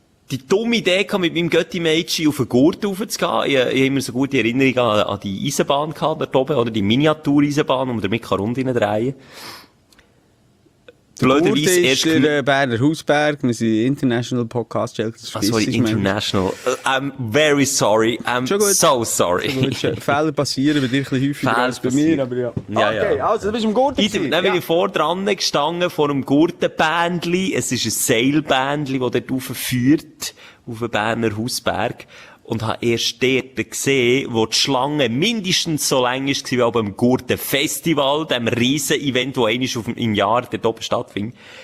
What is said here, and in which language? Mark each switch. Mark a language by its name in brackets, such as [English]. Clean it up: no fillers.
[German] Die dumme Idee kam mit meinem Götti-Mädchen auf den Gurt raufzugehen. Ich habe immer so gute Erinnerung an die Eisenbahn gehabt, dort oben, oder die Miniatur-Eisenbahn, wo man damit rund rein drehen kann. Der Gurt ist der Berner Hausberg, wir sind International Podcast, International. [English] I'm very sorry, I'm so sorry. [German] Fehler passieren bei dir ein bisschen häufiger als bei mir, aber ja. Okay, ja. Also du bist im Gurt gewesen. Dann bin ich vordran gestanden vor einem Gurtenbändli. Es ist ein Seilbändli, das dort aufführt, auf den Berner Hausberg. Und habe erst dort gesehen, wo die Schlange mindestens so lang ist wie auch beim Gurtenfestival, dem Riesen-Event, das einmal im Jahr dort oben stattfindet.